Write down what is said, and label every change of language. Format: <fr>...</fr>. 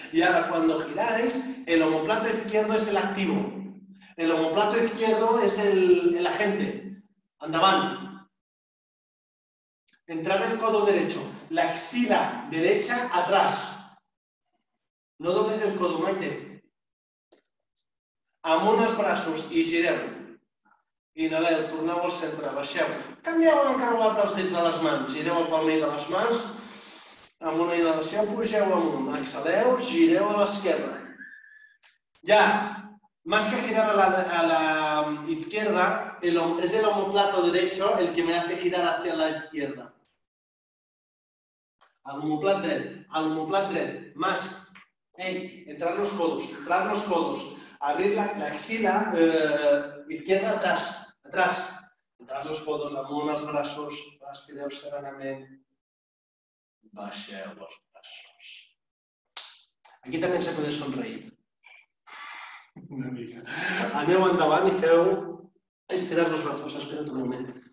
<es>Y ahora cuando giráis, el omóplato izquierdo es el activo. El omóplato izquierdo es el agente. Andaban. Entrar el codo derecho, la axila derecha atrás. No dobles el codo, Maite.</es> <ca>Amunt els braços i gireu. Inhaleu, torneu al centre, baixeu. Canvieu l'encarregat dels dits de les mans. Gireu el palmell de les mans. Amb una inhalació pugeu amunt. Exhaleu, gireu a l'esquerra. Ja.</ca> <es>Más que girar a la izquierda, es el omoplato derecho el que me hace girar hacia la izquierda.</es> <ca>Al omoplat dret.</ca> <es>Más. Ei, entrar los codos. Abrir la axila izquierda atrás. Entrar los codos,</es> <ca>amunt els braços, respireu serenament. Baixeu els braços. Aquí també se pot somriure. Una mica. Aneu endavant i feu estirar els braços. Espera't un moment.</ca>